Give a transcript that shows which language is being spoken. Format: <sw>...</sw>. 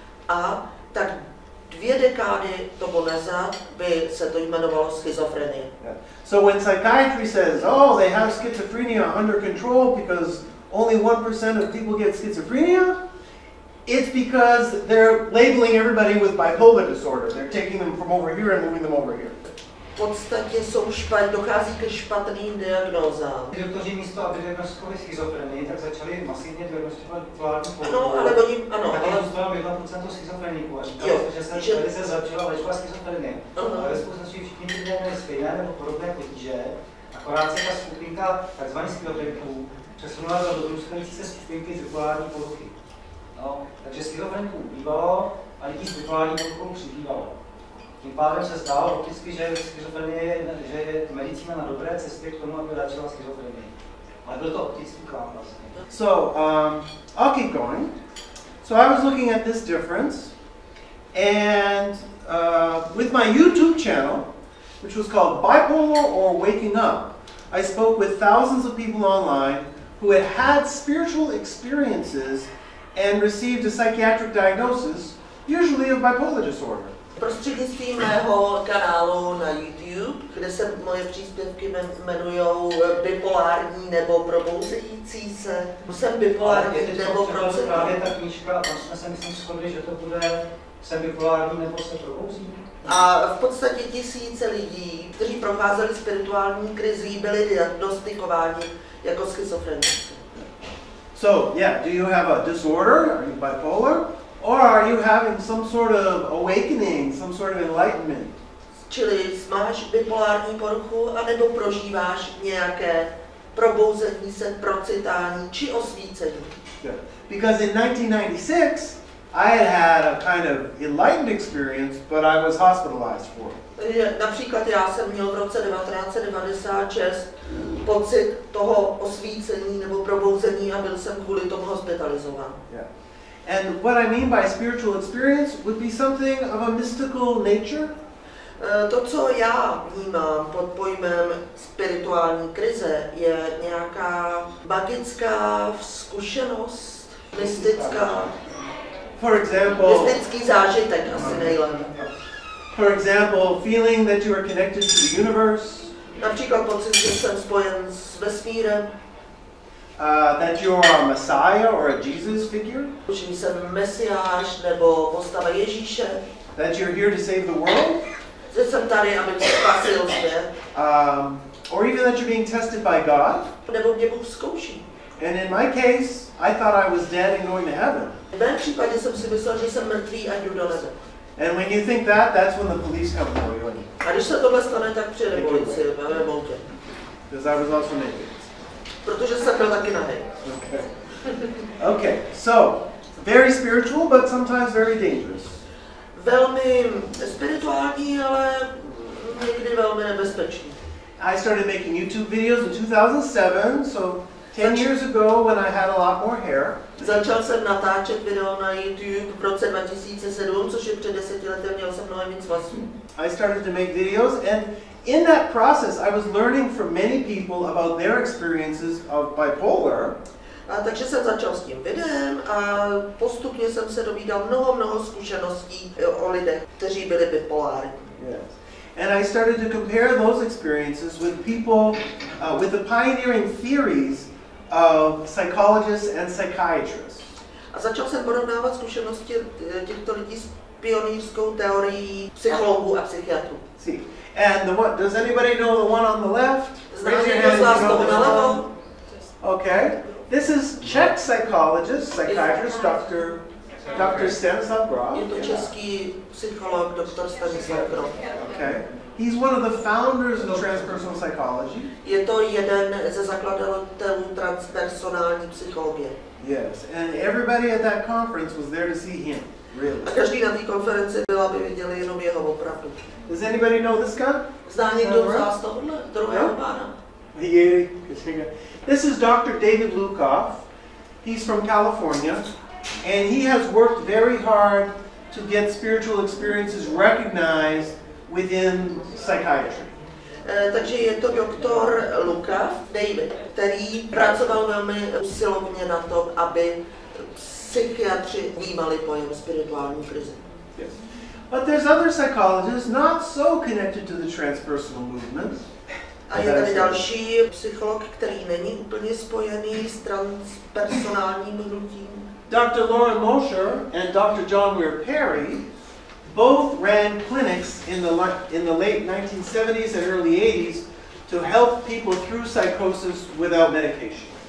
<cs>A tak dvě dekády toho nazad by se to jmenovalo schizofrenie.</cs> <en>So when psychiatry says, oh, they have schizophrenia under control because only 1% of people get schizophrenia, it's because they're labeling everybody with bipolar disorder. They're taking them from over here and moving them over here.</en> <cs>V podstatě dochází ke špatným diagnózám. Doktoři místo, aby diagnostikovali schizofrenii, tak začali masivně diagnostikovat bipolární poruchu. Ano, ale oni, ano. Tak jenom zbylo 1% schizofreníků a říkali se, že tady se začala léčba schizofrenie. Ale ve skutečnosti všichni ty lidé měli stejné nebo podobné potíže, akorát se ta skupinka tzv. Schizofreníků přesunula do druhé se skupinky z bipolární poruchy. No, takže schizofreníků ubývalo a lidí s bipolární poruchou přibývalo. Tím pádem se stalo opticky, že schizofrenie je medicína na dobré cestě k tomu, aby léčila schizofrenie. Ale byl to optický klam vlastně.</cs> <en>So, I'll keep going. So I was looking at this difference, and with my YouTube channel, which was called Bipolar or Waking Up, I spoke with thousands of people online who had had spiritual experiences and received a psychiatric diagnosis, usually of bipolar disorder.</en> <cs>Prostřednictvím mého kanálu na YouTube, kde se moje příspěvky jmenujou bipolární nebo probouzející se. Jsem bipolární nebo probouzející. Právě ta knížka, tam jsme se myslím shodli, že to bude jsem bipolární nebo se probouzí. A v podstatě tisíce lidí, kteří procházeli spirituální krizí, byli diagnostikováni jako schizofrenici.</cs> <en>So, yeah, do you have a disorder? Are you bipolar? Or are you having some sort of awakening, some sort of enlightenment?</en> <cs>Čili máš bipolární poruchu, anebo prožíváš nějaké probouzení se, procitání či osvícení?</cs> <en>Because in 1996, I had had a kind of enlightened experience, but I was hospitalized for it.</en> <cs>Například já jsem měl v roce 1996 pocit toho osvícení nebo probouzení a byl jsem kvůli tomu hospitalizován.</cs> <en>Yeah. And what I mean by spiritual experience would be something of a mystical nature.</en> <cs>To, co já vnímám pod pojmem spirituální krize, je nějaká magická zkušenost, mystická.</cs> <en>For example,</en> <cs>mystický zážitek asi nejlépe.</cs> <en>For example, feeling that you are connected to the universe.</en> <cs>Například pocit, že jsem spojen s vesmírem.</cs> <en>That you are a messiah or a Jesus figure.</en> <cs>Že jsem mesiáš nebo postava Ježíše.</cs> <en>That you're here to save the world.</en> <cs>Že jsem tady, abych spasil svět.</cs> <en>Or even that you're being tested by God.</en> <cs>Nebo mě Bůh zkouší.</cs> <en>And in my case, I thought I was dead and going to heaven.</en> <cs>V mém případě jsem si myslel, že jsem mrtvý a jdu do nebe.</cs> <en>And when you think that, that's when the police come for you.</en> <cs>A když se tohle stane, tak přijede policie, ale volte.</cs> <en>Because I was also naked.</en> <cs>Protože jsem byl taky nahej.</cs> <en>Okay, so, very spiritual, but sometimes very dangerous.</en> <cs>Velmi spirituální, ale někdy velmi nebezpečný.</cs> <en>I started making YouTube videos in 2007, so 10 years ago when I had a lot more hair.</en> <cs>Začal jsem natáčet video na YouTube v roce 2007, což je před 10 lety, měl jsem mnohem víc vlasů.</cs> <en>I started to make videos and in that process I was learning from many people about their experiences of bipolar.</en> <cs>A takže jsem začal s tím videem a postupně jsem se dovídal mnoho zkušeností o lidech, kteří byli bipolární.</cs> <en>Yes. And I started to compare those experiences with people with the pioneering theories of psychologists and psychiatrists.</en> <cs>A začal jsem porovnávat zkušenosti těchto lidí s pionýrskou teorií psychologů a psychiatrů.</cs> <en>See. And the one, does anybody know the one on the left? Raise your hand if you know this one. Okay. This is Czech psychologist, psychiatrist, Dr. Stanislav Grof.</en> <cs>Je to český psycholog, Dr. Stanislav Grof.</cs> <en>Okay. He's one of the founders of transpersonal psychology.</en> <cs>Je to jeden ze zakladatelů transpersonální psychologie.</cs> <en>Yes, and everybody at that conference was there to see him, really.</en> <cs>A každý na té konferenci byl, aby viděli jenom jeho opravdu.</cs> <en>Does anybody know this guy?</en> <cs>Zná někdo z vás tohle, druhého pána?</cs> <en>This is Dr. David Lukoff. He's from California. And he has worked very hard to get spiritual experiences recognized within psychiatry.</en> <cs>Takže je to doktor Luka David, který pracoval velmi usilovně na tom, aby psychiatři vnímali pojem spirituální krize.</cs> <en>Yes. But there's other psychologists not so connected to the transpersonal movement.</en> <cs>A je tady další psycholog, který není úplně spojený s transpersonálním hnutím.</cs> <en>Dr. Lauren Mosher and Dr. John Weir Perry both ran clinics in the late 1970s and early 80s to help people through psychosis without medication.</en>